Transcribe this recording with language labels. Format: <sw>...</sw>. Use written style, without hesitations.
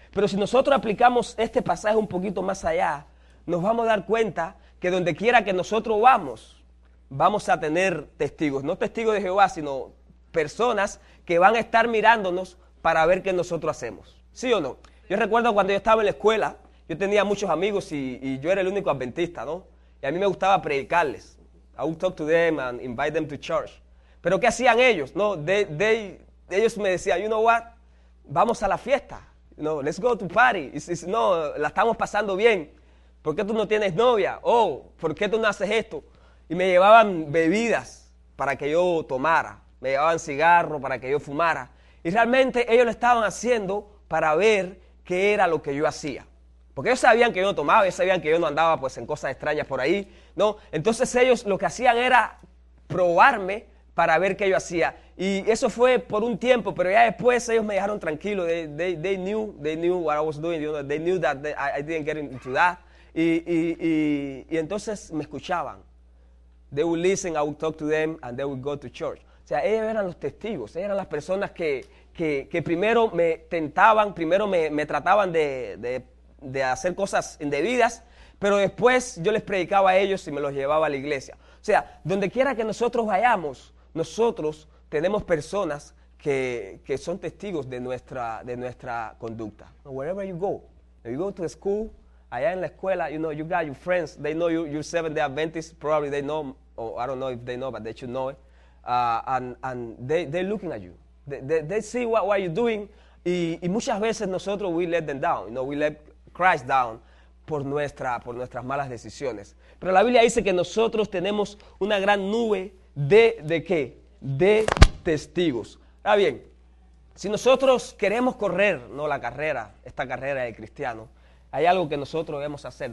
<es>Pero si nosotros aplicamos este pasaje un poquito más allá, nos vamos a dar cuenta que donde quiera que nosotros vamos, vamos a tener testigos, no testigos de Jehová, sino personas que van a estar mirándonos para ver qué nosotros hacemos. ¿Sí o no? Yo recuerdo cuando yo estaba en la escuela, yo tenía muchos amigos y yo era el único adventista, ¿no? Y a mí me gustaba predicarles.</es> <en>I would talk to them and invite them to church.</en> <es>Pero ¿qué hacían ellos? No, ellos me decían,</es> <en>you know what?</en> <es>Vamos a la fiesta.</es> <en>No, let's go to party.</en> <es>Y si no, la estamos pasando bien. ¿Por qué tú no tienes novia? Oh, ¿por qué tú no haces esto? Y me llevaban bebidas para que yo tomara. Me llevaban cigarro para que yo fumara. Y realmente ellos lo estaban haciendo para ver qué era lo que yo hacía. Porque ellos sabían que yo no tomaba, ellos sabían que yo no andaba pues en cosas extrañas por ahí, ¿no? Entonces ellos lo que hacían era probarme para ver qué yo hacía. Y eso fue por un tiempo, pero ya después ellos me dejaron tranquilo.</es> <en>They knew what I was doing, you know, they knew that I didn't get into that.</en> <es>Y entonces me escuchaban.</es> <en>They would listen, I would talk to them, and they would go to church.</en> <es>O sea, ellos eran los testigos, ellos eran las personas que primero me tentaban, primero me trataban de hacer cosas indebidas, pero después yo les predicaba a ellos y me los llevaba a la iglesia. O sea, donde quiera que nosotros vayamos, nosotros tenemos personas que son testigos de nuestra conducta.</es> <en>Wherever you go, if you go to school,</en> <es>allá en la escuela,</es> <en>you know, you got your friends, they know you're Seventh-day Adventists, probably they know, or I don't know if they know, but they should know it. And they're looking at you. They see what you're doing.</en> <es>Y muchas veces nosotros</es> <en>we let them down. You know, we let Christ down</en> <es>por nuestras malas decisiones. Pero la Biblia dice que nosotros tenemos una gran nube de qué? De testigos. Ahora bien, si nosotros queremos correr, no la carrera, esta carrera de cristiano, hay algo que nosotros debemos hacer.</es>